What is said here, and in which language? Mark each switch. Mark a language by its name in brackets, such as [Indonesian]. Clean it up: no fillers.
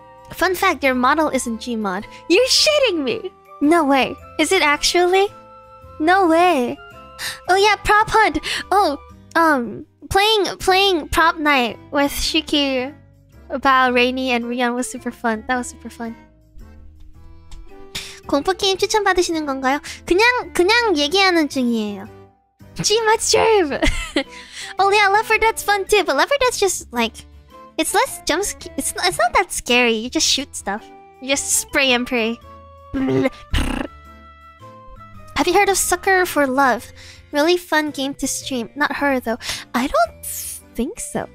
[English] Fun fact, your model isn't Gmod. You're shitting me! No way. Is it actually? No way. Oh yeah, prop hunt. Oh, playing prop night with Shiki, Bao, Rainy, and Rion was super fun. That was super fun. [Korean] 공포 게임 추천 받으시는 건가요? 그냥 얘기하는 중이에요. [English] Gmod stream. Oh yeah, Left 4 Dead's fun too. But Left 4 Dead's just like, it's less jump scare. It's not that scary. You just shoot stuff. You just spray and pray. Have you heard of Sucker for Love? Really fun game to stream. Not her though. I don't think so.